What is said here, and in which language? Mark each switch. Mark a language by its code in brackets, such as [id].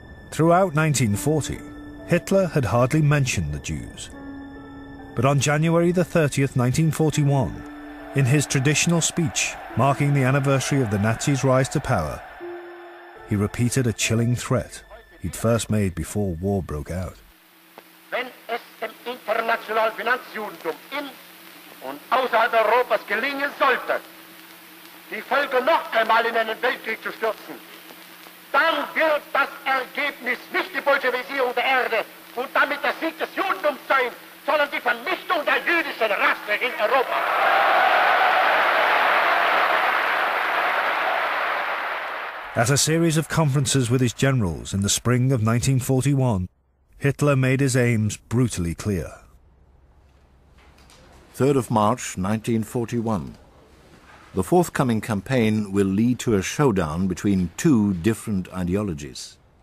[en] Throughout 1940, Hitler had hardly mentioned the Jews. But on January the 30th, 1941, in his traditional speech marking the anniversary of the Nazis' rise to power, he repeated a chilling threat he'd first made before war broke out. [de] "Wenn es dem internationalen Finanzjudentum in und außerhalb Europas gelingen sollte, die Völker noch einmal in einen Weltkrieg zu stürzen, dann wird das Ergebnis nicht die Bolschewisierung der Erde und damit der Sieg des Judentums sein, sondern die Vernichtung der jüdischen Rasse in Europa." [en] At a series of conferences with his generals in the spring of 1941, Hitler made his aims brutally clear. 3rd of March 1941. The forthcoming campaign will lead to a showdown between two different ideologies.